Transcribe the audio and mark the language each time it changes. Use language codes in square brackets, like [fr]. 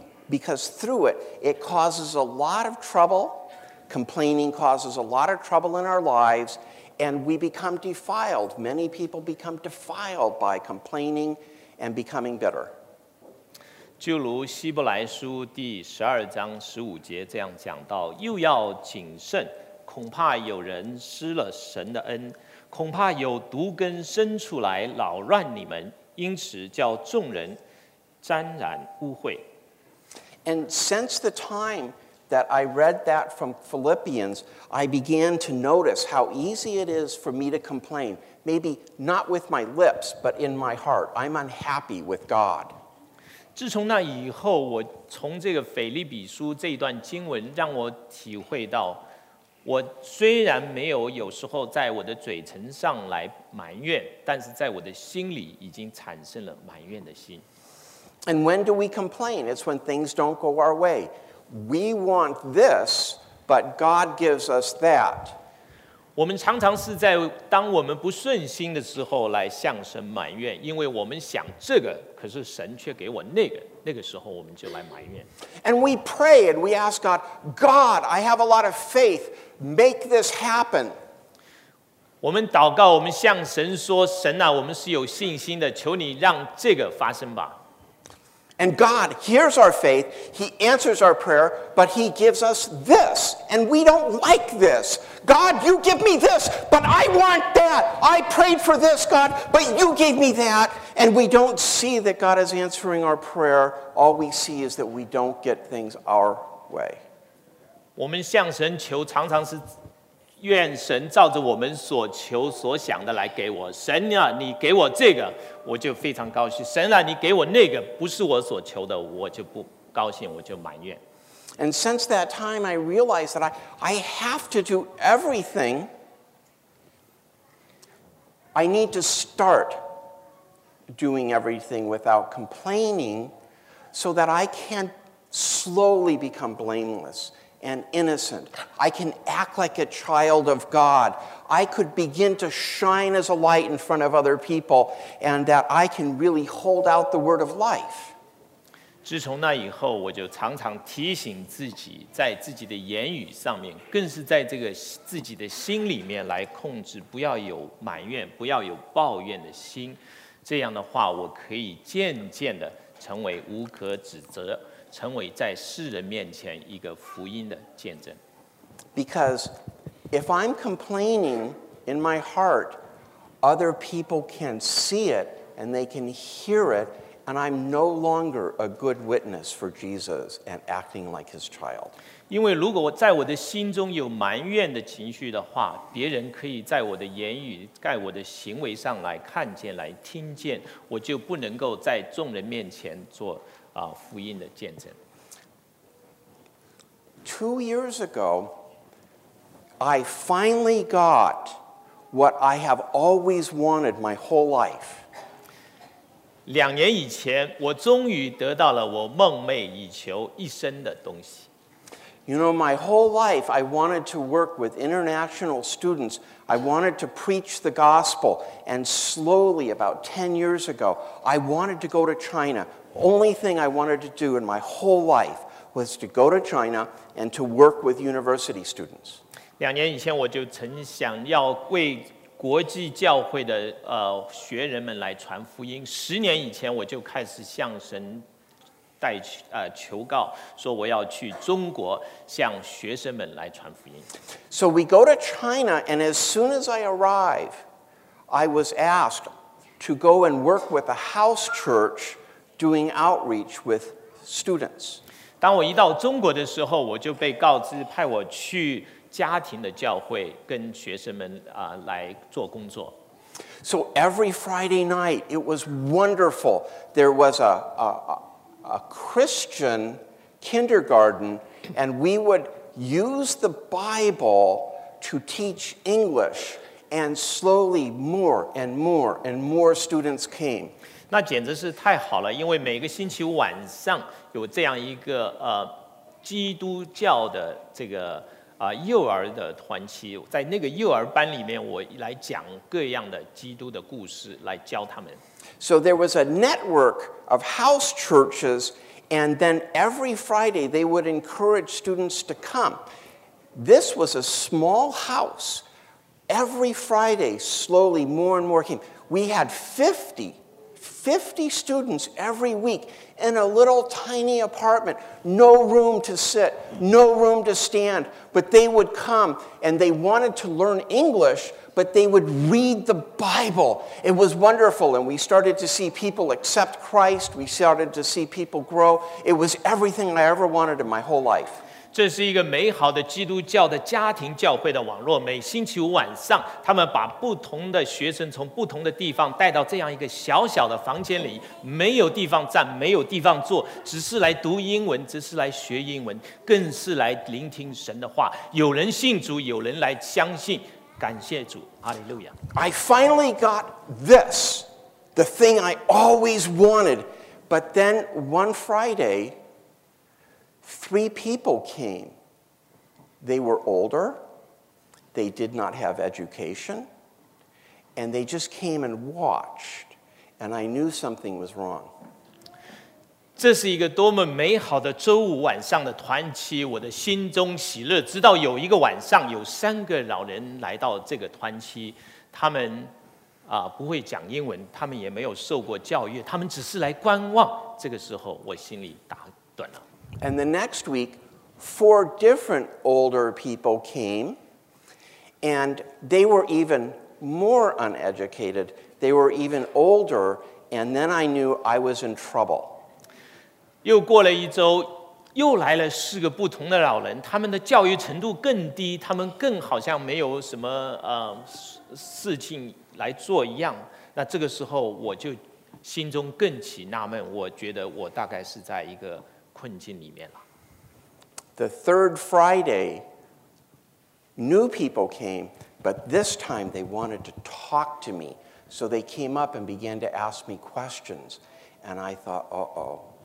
[en] Because through it, it causes a lot of trouble. Complaining causes a lot of trouble in our lives, and we become defiled. Many people become defiled by complaining and becoming bitter. [zh] 就如希伯来书第十二章十五节这样讲到，又要谨慎，恐怕有人失了神的恩，恐怕有毒根生出来扰乱你们，因此叫众人沾染污秽。 [en] And since the time that I read that from Philippians, I began to notice how easy it is for me to complain. Maybe not with my lips, but in my heart. I'm unhappy with God. [zh] 自从那以后，我从这个腓立比书这一段经文让我体会到，我虽然没有有时候在我的嘴唇上来埋怨，但是在我的心里已经产生了埋怨的心。 [en] And when do we complain? It's when things don't go our way. We want this, but God gives us that. [zh] 我们常常是在当我们不顺心的时候来向神埋怨，因为我们想这个，可是神却给我那个，那个时候我们就来埋怨。 [en] And we pray and we ask God, God, I have a lot of faith. Make this happen. [zh] 我们祷告，我们向神说，神啊，我们是有信心的，求你让这个发生吧。 [en] And God hears our faith, he answers our prayer, but he gives us this, and we don't like this. God, you give me this, but I want that. I prayed for this, God, but you gave me that. And we don't see that God is answering our prayer. All we see is that we don't get things our way. [zh] 我们向神求常常是愿神照着我们所求所想的来给我，神啊，你给我这个，我就非常高兴；神啊，你给我那个，不是我所求的，我就不高兴，我就埋怨。 [en] And since that time, I realized that I have to do everything. I need to start doing everything without complaining, so that I can slowly become blameless. And innocent. I can act like a child of God. I could begin to shine as a light in front of other people, and that I can really hold out the word of life. [zh] 自从那以后，我就常常提醒自己，在自己的言语上面，更是在这个自己的心里面来控制，不要有埋怨，不要有抱怨的心。这样的话，我可以渐渐的成为无可指责，成为在世人面前一个福音的见证。 [en] Because if I'm complaining in my heart, other people can see it and they can hear it, and I'm no longer a good witness for Jesus and acting like his child. [zh] 因为如果我在我的心中有埋怨的情绪的话，别人可以在我的言语、在我的行为上来看见、来听见，我就不能够在众人面前做福音的见证。 [en] 2 years ago, I finally got what I have always wanted my whole life. 2 years [zh] 以前，我终于得到了我梦寐以求一生的东西。 [en] You know, my whole life, I wanted to work with international students. I wanted to preach the gospel. And slowly, about 10 years ago, I wanted to go to China. Only thing I wanted to do in my whole life was to go to China and to work with university students. 2 years [zh] 以前，我就曾想要为国际教会的学人们来传福音。 [en] 10 years [zh] 以前，我就开始向神求告，说我要去中国向学生们来传福音。 [en] So we go to China, and as soon as I arrive, I was asked to go and work with a house church doing outreach with students. [zh] 当我一到中国的时候，我就被告知派我去家庭的教会跟学生们来做工作。 [en] So every Friday night, it was wonderful. There was a Christian kindergarten, and we would use the Bible to teach English, and slowly more and more and more students came. [zh] 那简直是太好了，因为每个星期晚上有这样一个基督教的这个幼儿的团契，在那个幼儿班里面，我来讲各样的基督的故事，来教他们。 [en] So there was a network of house churches, and then every Friday they would encourage students to come. This was a small house. Every Friday, slowly, more and more came. We had 50 students every week in a little tiny apartment. No room to sit, no room to stand, but they would come, and they wanted to learn English, but they would read the Bible. It was wonderful, and we started to see people accept Christ. We started to see people grow. It was everything I ever wanted in my whole life. [zh] 这是一个美好的基督教的家庭教会的网络。每星期五晚上，他们把不同的学生从不同的地方带到这样一个小小的房间里，没有地方站，没有地方坐，只是来读英文，只是来学英文，更是来聆听神的话。有人信主，有人来相信。感谢主，哈利路亚。 [en] I finally got this, the thing I always wanted. But then one Friday, 3 people came. They were older, they did not have education, and they just came and watched. And I knew something was wrong. [zh] 这是一个多么美好的周五晚上的团契，我的心中喜乐。直到有一个晚上，有3个老人来到这个团契，他们不会讲英文，他们也没有受过教育，他们只是来观望。这个时候，我心里打盹了。 [en] And the next week, 4 different older people came, and they were even more uneducated. They were even older, and then I knew I was in trouble. [zh] 又过了一周，又来了4个不同的老人，他们的教育程度更低，他们更好像没有什么事情来做一样。那这个时候，我就心中更起纳闷，我觉得我大概是在一个困境里面了。 [en] The third Friday, new people came, but this time they wanted to talk to me. So they came up and began to ask me questions. And I thought, uh-oh.